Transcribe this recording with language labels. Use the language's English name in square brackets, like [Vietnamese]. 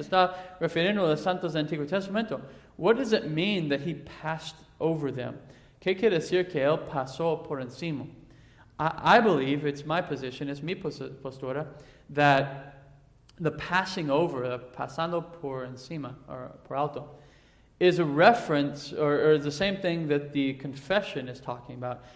[Spanish] Está refiriendo a los santos del Antiguo Testamento. [English] What does it mean that he passed over them? [Spanish] ¿Qué quiere decir que él pasó por encima? [English] I believe, it's my position, it's [Spanish] mi postura, [English] that the passing over, [Spanish] pasando por encima, [English] or por alto, is a reference, or the same thing that the confession is talking about.